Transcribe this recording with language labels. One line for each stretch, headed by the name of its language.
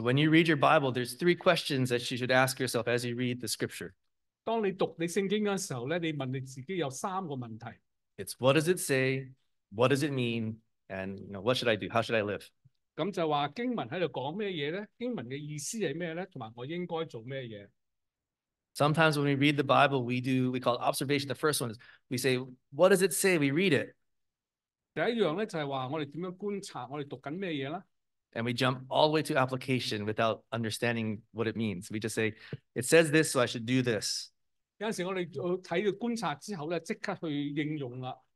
English: when you read your Bible, there's three questions that you should ask yourself as you read the scripture.
Cantonese: 當你讀你聖經嘅時候咧，你問你自己有三個問題。
English: It's what does it say? What does it mean? And you know, what should I do? How should I live?
Cantonese: 咁就話經文喺度講咩嘢咧？經文嘅意思係咩咧？同埋我應該做咩嘢？
English: Sometimes when we read the Bible, we call observation. The first one is we say, what does it say? We read it.
Cantonese: 第一樣咧就係話我哋點樣觀察，我哋讀緊咩嘢啦？
English: And we jump all the way to application without understanding what it means. We just say, it says this, so I should do this.
Cantonese: 有陣時我哋睇到觀察之後咧，即刻去應用啦。